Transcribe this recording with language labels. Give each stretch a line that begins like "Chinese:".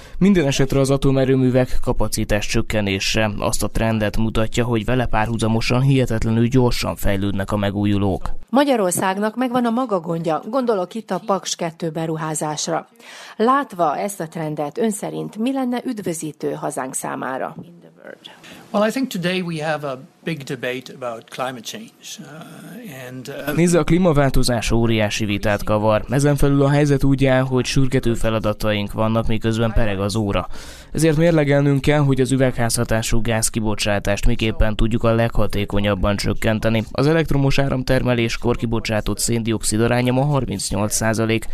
Hungarian: Minden esetre az atomerőművek kapacitás csökkenése azt a trendet mutatja, hogy vele párhuzamosan hihetetlenül gyorsan fejlődnek a megújulók. Magyarországnak megvan a maga gondja, gondolok itt a Paks 2 beruházásra. Látva ezt a trendet, ön szerint mi lenne üdvözítő hazánk számára?
English: Well, I think today we have a big debate about climate change.
Hungarian: Nézze, a klímaváltozás óriási vitát kavar. Ezen felül a helyzet úgy áll, hogy sürgető feladataink vannak, miközben pereg az óra. Ezért mérlegelnünk kell, hogy az üvegházhatású gázkibocsátást miképpen tudjuk a leghatékonyabban csökkenteni. Az elektromos áramtermeléskor kibocsátott széndioxid aránya ma 38%.